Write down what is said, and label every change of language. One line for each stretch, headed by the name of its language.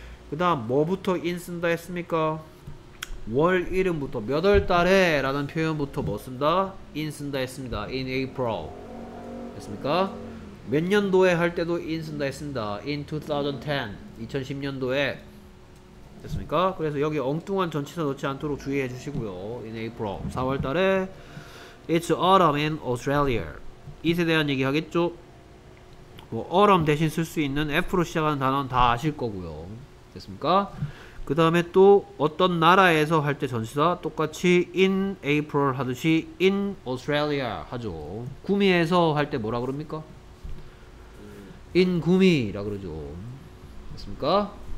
Korean: 그 다음 뭐부터 in 쓴다 했습니까? 월 이름부터 몇 월 달에 라는 표현부터 뭐 쓴다? in 쓴다 했습니다. in April 됐습니까? 몇 년도에 할 때도 in 쓴다 했습니다. in 2010 2010년도에 됐습니까? 그래서 여기 엉뚱한 전치사 넣지 않도록 주의해 주시고요.
English: in April
Korean: 4월 달에
English: it's autumn in Australia.
Korean: it에 대한 얘기 하겠죠? 뭐 autumn 대신 쓸 수 있는 F로 시작하는 단어는 다 아실 거고요. 됐습니까? 그 다음에 또 어떤 나라에서 할 때 전치사 똑같이 in April 하듯이 in Australia 하죠. 구미에서 할 때 뭐라 그럽니까? in 구미라 그러죠. 됐습니까?